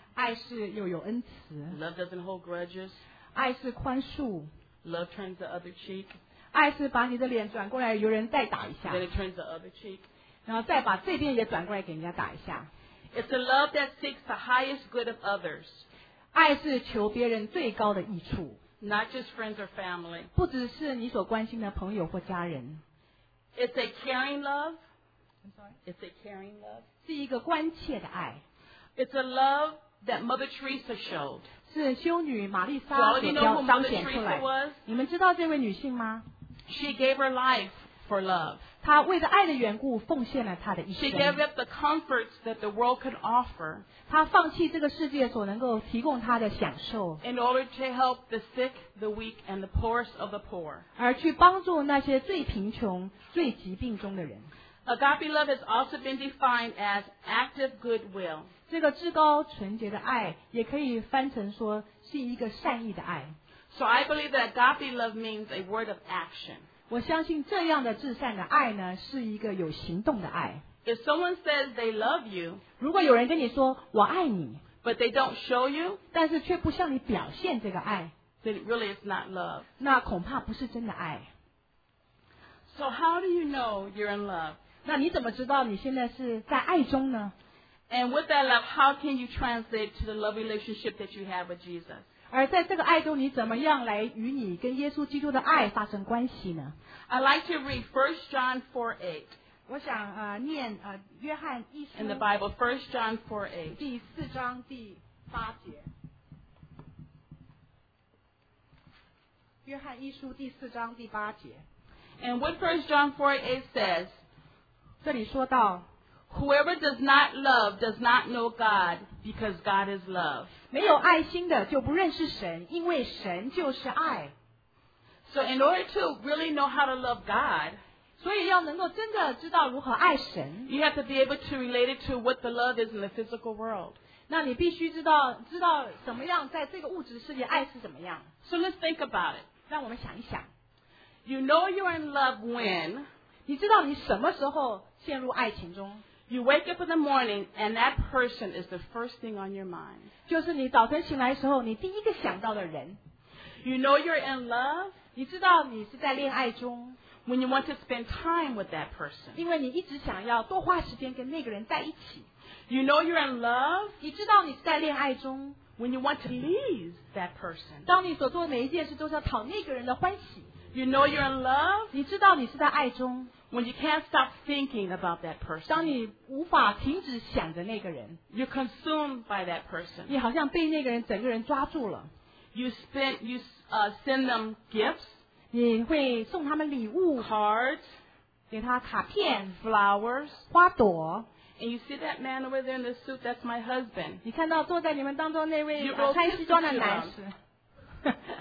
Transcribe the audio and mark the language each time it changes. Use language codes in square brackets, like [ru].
[zh] 爱是又有恩慈 [en] Love doesn't hold grudges. [zh] 爱是宽恕 [en] Love turns the other cheek. [zh] 爱是把你的脸转过来由人再打一下 [en] Then it turns the other cheek. [zh] 然后再把这边也转过来给人家打一下 [en] It's a love that seeks the highest good of others. [zh] 爱是求别人最高的益处 [en] Not just friends or family. [zh] 不只是你所关心的朋友或家人。 [en] It's a caring love. I'm sorry. It's a caring love. [zh] 是一个关切的爱。 [en] It's a love that Mother Teresa showed. [zh] 是修女玛丽莎所彰显出来。你们知道这位女性吗？ [en] She gave her life for love. [zh] 她为了爱的缘故奉献了她的一生。 [en] She gave up the comforts that the world could offer. [zh] 她放弃这个世界所能够提供她的享受。 [en] In order to help the sick, the weak, and the poorest of the poor. [zh] 而去帮助那些最贫穷、最疾病中的人。 [en] Agape love has also been defined as active goodwill. [zh] 这个至高纯洁的爱也可以翻成说是一个善意的爱。 [en] So I believe that agape love means a word of action. [zh] 我相信这样的至善的爱呢是一个有行动的爱 [en] If someone says they love you [zh] 如果有人跟你说我爱你 [en] But they don't show you [zh] 但是却不向你表现这个爱 [en] Then really it's not love [zh] 那恐怕不是真的爱 [en] So how do you know you're in love? [zh] 那你怎么知道你现在是在爱中呢 [en] And with that love how can you translate to the love relationship that you have with Jesus? [zh] 而在这个爱中你怎么样来与你跟耶稣基督的爱发生关系呢 [en] I'd like to read 1 John 4:8 [zh] 我想念约翰一书。 [en] In the Bible, 1 John 4:8. [zh] 第四章第八节。约翰一书第四章第八节。 [en] And what 1 John 4:8 says? [zh] 这里说到。 [en] Whoever does not love does not know God, because God is love. [zh] 没有爱心的就不认识神，因为神就是爱。 [en] So in order to really know how to love God, [zh] 所以要能够真的知道如何爱神， [en] you have to be able to relate it to what the love is in the physical world. [zh] 那你必须知道怎么样在这个物质世界爱是怎么样。 [en] So let's think about it. [zh] 让我们想一想。 [en] You know you are in love when? [zh] 你知道你什么时候陷入爱情中？ [en] You wake up in the morning, and that person is the first thing on your mind. [zh] 就是你早晨醒来的时候，你第一个想到的人。 [en] You know you're in love. [zh] 你知道你是在恋爱中。 [en] When you want to spend time with that person. [zh] 因为你一直想要多花时间跟那个人在一起。 [en] You know you're in love. [zh] 你知道你是在恋爱中。 [en] When you want to please that person. [zh] 当你所做的每一件事都是要讨那个人的欢喜。 [en] You know you're in love. [zh] 你知道你是在爱中。 [en] When you can't stop thinking about that person. [zh] 当你无法停止想着那个人。 [en] You're consumed by that person. [zh] 你好像被那个人整个人抓住了。 [en] You send them gifts. [zh] 你会送他们礼物。 [en] Cards. [zh] 给他卡片。 [en] Flowers. [zh] 花朵。 [en] And you see that man over there in the suit, that's my husband. [zh] 你看到坐在你们当中那位穿西装的男士。